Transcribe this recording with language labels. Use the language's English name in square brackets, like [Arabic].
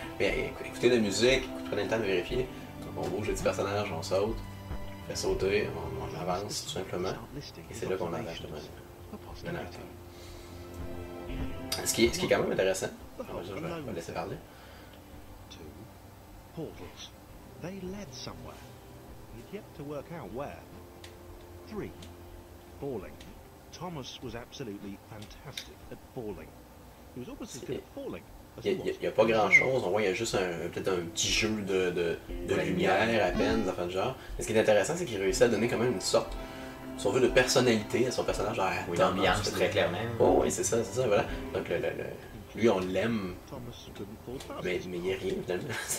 [French] Mais écoutez la musique, prenez le temps de vérifier. Donc on bouge les petits personnages, on saute. On fait sauter, on avance tout simplement, et c'est là qu'on arrive justement le narrateur. Ce qui est quand même intéressant, je vais laisser parler. [English] Portals. They led somewhere. You'd yet to work out where. 3. Falling. Thomas was absolutely fantastic at falling. He was always as good at falling. [French] Il y a pas grand chose, on voit il y a juste peut-être un petit jeu de lumière à peine, des affaires du genre. Mais ce qui est intéressant, c'est qu'il réussit à donner quand même une sorte, si on veut, de personnalité à son personnage. Oui, d'ambiance, très clairement. Oh, oui, c'est ça, voilà. Donc le lui, on l'aime, mais il n'y a rien, finalement.